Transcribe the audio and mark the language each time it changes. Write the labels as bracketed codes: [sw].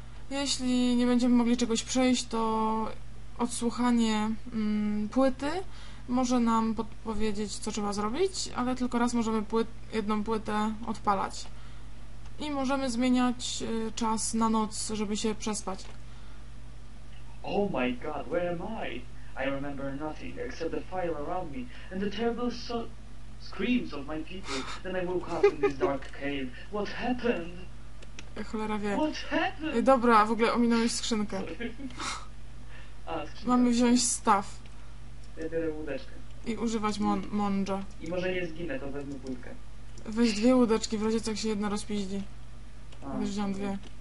[pl] Jeśli nie będziemy mogli czegoś przejść, to odsłuchanie płyty może nam podpowiedzieć, co trzeba zrobić, ale tylko raz możemy jedną płytę odpalać. I możemy zmieniać czas na noc, żeby się przespać. [en] Oh my god, where am I? I remember nothing except the fire around me and the terrible screams of my people. Then I woke up in this dark cave. What happened? [pl] Cholera wie. [en] What happened? [pl] Dobra, w ogóle ominąłeś skrzynkę. Skrzynka. Mamy wziąć staw. Ja biorę łódeczkę. I używać mądrze. I może nie zginę, to wezmę płytkę. Weź dwie łódeczki, w razie co, jak się jedna rozpiździ. Weź wziąłem dwie.